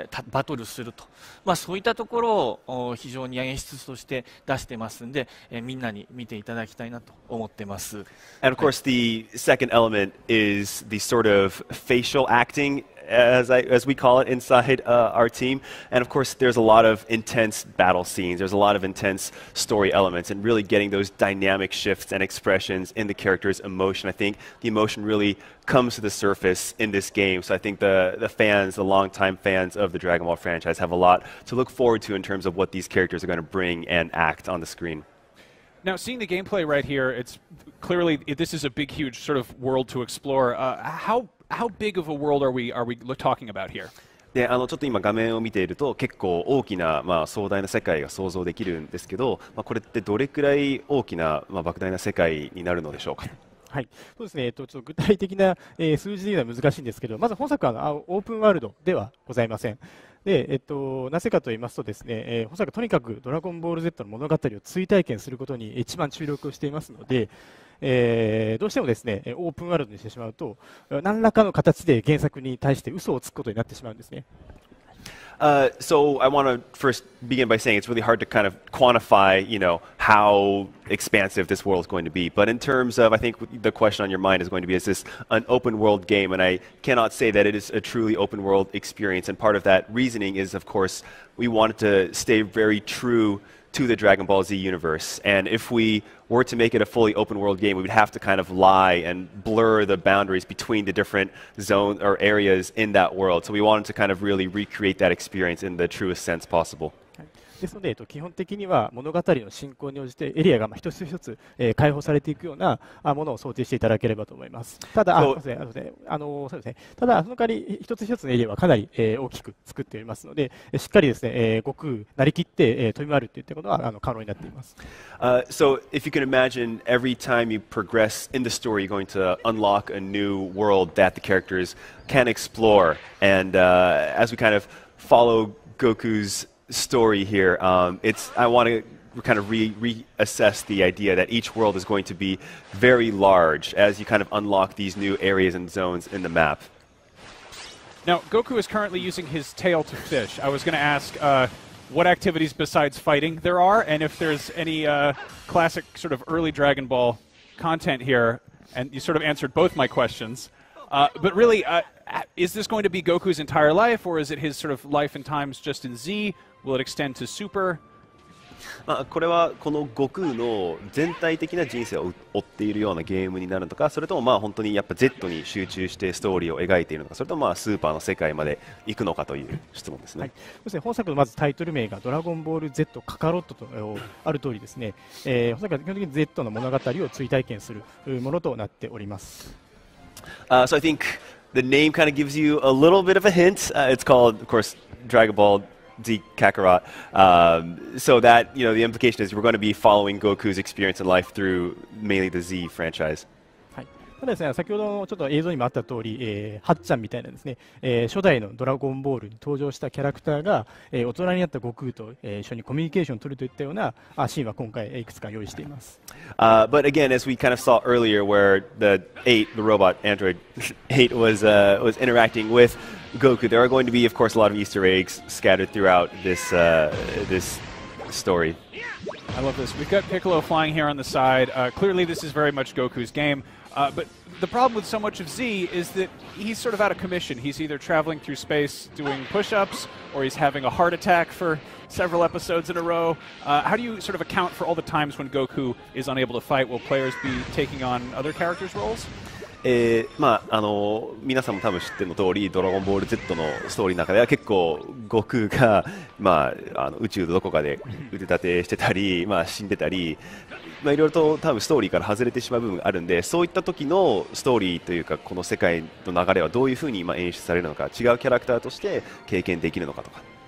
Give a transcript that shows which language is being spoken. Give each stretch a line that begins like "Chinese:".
Japanese: バトルすると、まあ、そういったところを非常に演出として出してますんで、みんなに見ていただきたいなと思ってます。
English: And of course the second element is the sort of facialacting, as we call it inside our team. And of course, there's a lot of intense battle scenes. There's a lot of intense story elements and really getting those dynamic shifts and expressions in the character's emotion. I think the emotion really comes to the surface in this game. So I think the fans, the longtime fans of the Dragon Ball franchise have a lot to look forward to in terms of what these characters are going to bring and act on the screen. Now, seeing the gameplay right here, it's clearly this is a big, huge sort of world to explore. How big of a world are we talking about here?
Japanese: でちょっと今画面を見ていると結構大きな、まあ、壮大な世界が想像できるんですけど、まあ、これってどれくらい大きな、まあ、莫大な世界になるのでしょうか。はい、そうですね、ちょっと具体的な、数字で言うのは難しいんですけど、まず本作はオープンワールドではございません。でなぜかと言いますとですね、本作はとにかくドラゴンボール Z の物語を追体験することに一番注力をしていますので、どうしてもですね、オープンワールドにしてしまうと何らかの形で原作に対して嘘をつくことになってしまうんですね。
English: So I want to first begin by saying it's really hard to kind of quantify, you know, how expansive this world is going to be. But in terms of, I think the question on your mind is going to be, is this an open world game? And I cannot say that it is a truly open world experience. And part of that reasoning is, of course, we wanted to stay very true to the Dragon Ball Z universe. And if we were to make it a fully open world game, we would have to kind of lie and blur the boundaries between the different zones or areas in that world. So we wanted to kind of really recreate that experience in the truest sense possible.
Japanese: ですので、基本的には物語の進行に応じてエリアが一つ一つ開放されていくようなものを想定していただければと思います。ただ、ただその代わり一つ一つのエリアはかなり大きく作っておりますので、しっかりですね、悟空なりきって飛び回るといったことは可能になっています。
English: So if you can imagine every time you progress in the story you're going to unlock a new world that the characters can explore and as we kind of followGoku's story here, I want to kind of reassess the idea that each world is going to be very large as you kind of unlock these new areas and zones in the map. Now, Goku is currently using his tail to fish. I was going to ask what activities besides fighting there are, and if there's any classic sort of early Dragon Ball content here, and you sort of answered both my questions. But really, is this going to be Goku's entire life, or is it his sort of life and times just in Z? Will it extend to Super?
Japanese: これはこの悟空の全体的な人生を追っているようなゲームになるのか、それともまあ本当にやっぱ Z に集中してストーリーを描いているのか、それともまあスーパーの世界まで行くのかという質問ですね。はい、本作のまずタイトル名がドラゴンボール Z カカロットとある通りですね、本作は基本的に Z の物語を追体験するものとなっております。
English: So I think the name kind of gives you a little bit of a hint. It's called, of course, Dragon Ball Z Kakarot. So that, you know, the implication is we're going to be following Goku's experience in life through mainly the Z franchise.
Japanese: ただですね、先ほどのちょっと映像にもあった通り、はっちゃんみたいなですね、初代のドラゴンボールに登場したキャラクターが、大人になった悟空と、一緒にコミュニケーションを取るといったようなシーンは今回いくつか用意しています。
English: But again, as we kind of saw earlier where the 8, the robot Android 8 was interacting with Goku, there are going to be of course a lot of Easter eggs scattered throughout this, this story. I love this. We've got Piccolo flying here on the side. Clearly this is very much Goku's gameBut the problem with so much of Z is that he's sort of out of commission. He's either traveling through space doing push-ups, or he's having a heart attack for several episodes in a row. How do you sort of account for all the times when Goku is unable to fight? Will players be taking on other characters' roles?
Japanese: 皆さんも多分知っての通り、ドラゴンボール Z のストーリーの中では結構悟空が、宇宙のどこかで腕立てしてたり、死んでたり、いろいろと多分ストーリーから外れてしまう部分があるんで、そういった時のストーリーというかこの世界の流れはどういうふうに演出されるのか、違うキャラクターとして経験できるのかとか。